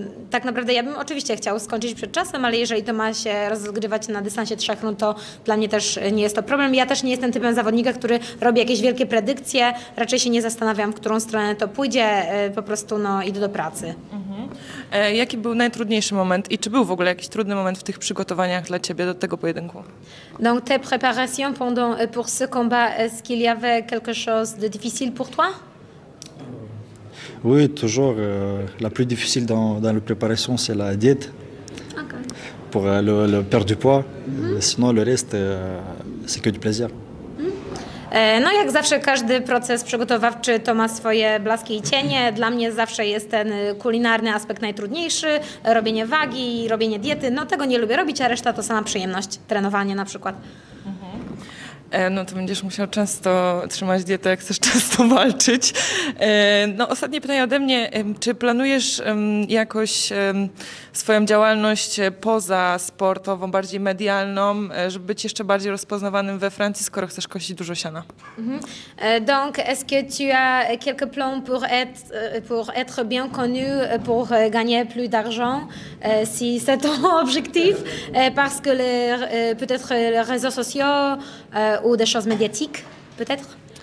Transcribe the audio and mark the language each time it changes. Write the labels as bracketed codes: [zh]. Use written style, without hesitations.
[pl] Tak naprawdę ja bym oczywiście chciał skończyć przed czasem, ale jeżeli to ma się rozgrywać na dystansie 3, no to dla mnie też nie jest to problem. Ja też nie jestem typem zawodnika, który robi jakieś wielkie predykcje, raczej się nie zastanawiam, w którą stronę to pójdzie, po prostu no, idę do pracy. Jaki był najtrudniejszy moment i czy był w ogóle jakiś trudny moment w tych przygotowaniach dla ciebie do tego pojedynku? [fr] Donc tes préparations pour ce combat, est-ce qu'il y avait quelque chose de difficile pour toi? Oui, toujours la plus difficile dans la préparation, c'est la diète. [en] Okay. [fr] Pour le perdre du poids, sinon le reste c'est que du plaisir. [pl] No jak zawsze każdy proces przygotowawczy to ma swoje blaski i cienie. Dla mnie zawsze jest ten kulinarny aspekt najtrudniejszy. Robienie wagi, robienie diety. No tego nie lubię robić, a reszta to sama przyjemność. Trenowanie na przykład. No to będziesz musiał często trzymać dietę, jak chcesz często walczyć. No ostatnie pytanie ode mnie. Czy planujesz jakoś swoją działalność poza sportową, bardziej medialną, żeby być jeszcze bardziej rozpoznawanym we Francji, skoro chcesz kosić dużo siana? [fr] Donc, est-ce que tu as quelques plans pour être bien connu, pour gagner plus d'argent, si c'est ton objectif, parce que peut-être les réseaux sociaux ou des choses médiatiques, peut-être?